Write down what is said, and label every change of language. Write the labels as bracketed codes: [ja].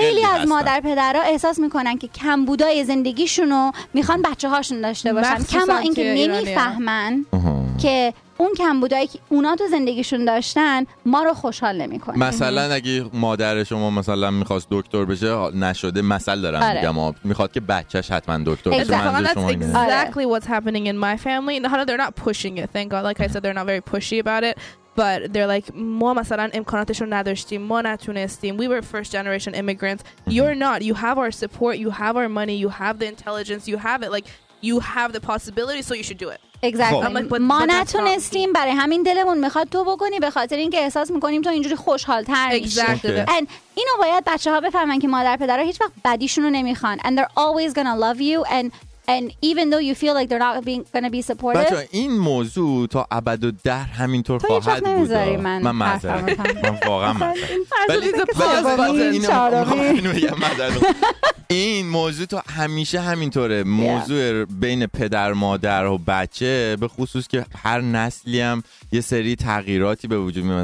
[fa] خیلی از مادر پدرها احساس میکنن که کمبودای زندگیشونو میخوان بچه هاشون داشته باشن، کما اینکه نمیفهمن که اون کمبودایی که اونا تو زندگیشون داشتن ما رو خوشحال نمیکنه. مثلا اگه مادر شما مثلا میخواست دکتر بشه نشده، مثلا دارم میگم میخواد که بچهش حتما دکتر بشه. [en] Exactly what's happening in my family. No, they're not pushing it, thank God. Like I said, they're not very pushy about it. But they're like, [fa] ما مثلا امکاناتش رو نداشتیم، ما نتونستیم. [en] We were first generation immigrants. You're not. You have our support. You have our money. You have the intelligence. You have it. Like, you have the possibility, so you should do it. Exactly. Like, but, [fa] ما نتونستیم. برای همین دلمون میخواد تو بکنی، به خاطر اینکه احساس میکنیم تو اینجوری خوشحال‌تر میشی. [en] Exactly. Okay. And [fa] اینو باید بچه‌ها بفهمن که مادر پدرها هیچ وقت بدیشون رو نمیخوان. [en] And they're always gonna love you. And even though you feel like they're not going to be supportive. [fa] بچه این موضوع تا ابد و دهر همینطور خواهد بود. من معذرت. من واقعا معذرت. ولی این موضوع این موضوع تا همیشه همینطوره. موضوع بین پدر مادر و بچه، به خصوص که هر نسلی هم یه سری تغییراتی به وجود میاد.